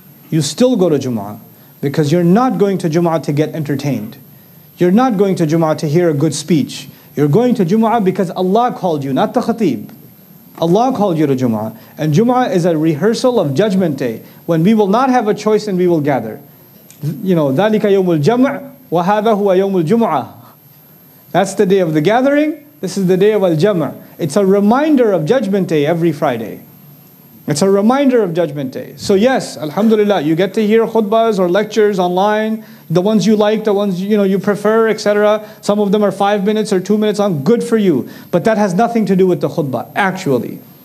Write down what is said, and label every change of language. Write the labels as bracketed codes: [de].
[en] You still go to Jumu'ah. Because you're not going to Jumu'ah to get entertained. You're not going to Jumu'ah to hear a good speech. You're going to Jumu'ah because Allah called you, not the khatib. Allah called you to Jumu'ah. And Jumu'ah is a rehearsal of judgment day when we will not have a choice and we will gather. You know, [ar] ذَلِكَ يَوْمُ الْجَمْعِ وَهَذَا هُوَ يَوْمُ الْجُمُعَةِ. [en] That's the day of the gathering. This is the day of Al-Jam'ah. It's a reminder of Judgment Day every Friday. It's a reminder of Judgment Day. So yes, Alhamdulillah, you get to hear khutbahs or lectures online, the ones you like, the ones you know you prefer, etc. Some of them are 5 minutes or 2 minutes long. Good for you. But that has nothing to do with the khutbah, actually.